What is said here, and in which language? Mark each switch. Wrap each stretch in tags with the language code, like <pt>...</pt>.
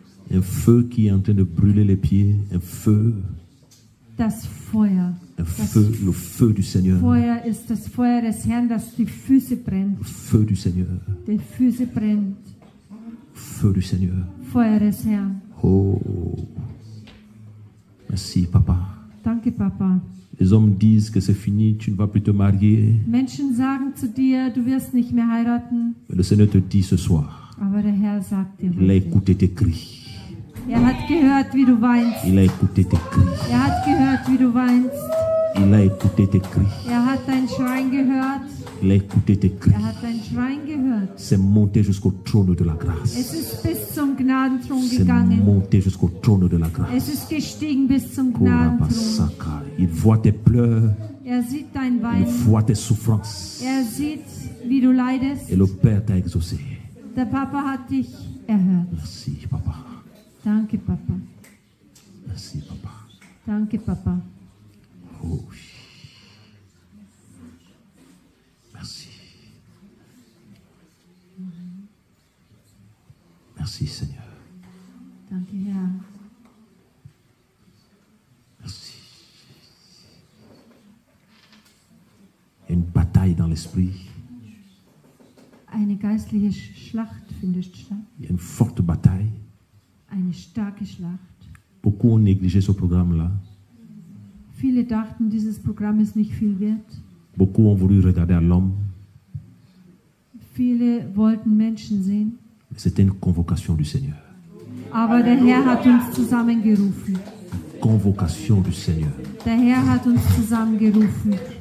<fr>Un feu qui est en train de brûler les pieds, un feu.</fr> <de>Das Feuer.</de> <fr>Un feu, le feu du Seigneur.</fr> <de>Feuer ist das Feuer des Herrn, das die Füße brennt.</de> <fr>Le feu du Seigneur.</fr> <de>Die Füße brennt.</de> <fr>Feu du Seigneur.</fr> <de>Feuer des Herrn.</de> <fr>Oh, merci, papa.</fr> <de>Danke, papa.</de> <fr>Les hommes disent que c'est fini, tu ne vas plus te marier.</fr> <de>Menschen sagen zu dir, du wirst nicht mehr heiraten.</de> <fr>Mais le Seigneur te dit ce soir.</fr> <de>Aber der Herr sagt dir.</de> <fr>Il a écouté tes cris.</fr> <de>Er hat gehört, wie du weinst.</de> <fr>Il a écouté tes cris.</fr> <de>Er hat gehört, wie du weinst.</de> <fr>Il a écouté tes cris.</fr> <de>Er hat dein Schreien gehört.</de> <fr>Il a écouté tes cris.</fr> <de>Er hat dein Schreien gehört.</de> <fr>C'est monté jusqu'au trône de la grâce.</fr> <de>Es ist bis zum Gnadenthron</de> <fr>C'est</fr> <de>gegangen.</de> <fr>C'est monté jusqu'au trône de la grâce.</fr> <de>Es ist gestiegen bis zum Gnadenthron.</de> <fr>Il voit tes pleurs.</fr> <de>Er sieht dein Weinen.</de> <fr>Il voit tes souffrances.</fr> <de>Er sieht, wie du leidest.</de> <fr>Et le Père t'a exaucé.</fr> <de>Der Papa hat dich erhört.</de> <fr>Merci, Papa.</fr> <de>Danke, Papa.</de> <fr>Merci, Papa.</fr> <de>Danke, Papa. Oh.</de> <fr>Merci. Merci Seigneur.</fr> <de>Danke Herr.</de> <fr>Merci. Une bataille dans l'esprit.</fr> <de>Eine geistliche Schlacht findet statt.</de> <fr>Une forte bataille.</fr> <de>Eine starke Schlacht.</de> <fr>Beaucoup ont négligé ce programme-là.</fr> <de>Viele dachten, dieses Programm ist nicht viel wert.</de> <fr>Beaucoup ont voulu regarder à l'homme.</fr> <de>Viele wollten Menschen sehen.</de> <fr>C'était une convocation du Seigneur.</fr> <de>Aber der Herr hat uns zusammengerufen.</de> <fr>Une convocation du Seigneur.</fr> <de>Der Herr hat uns zusammengerufen.</de>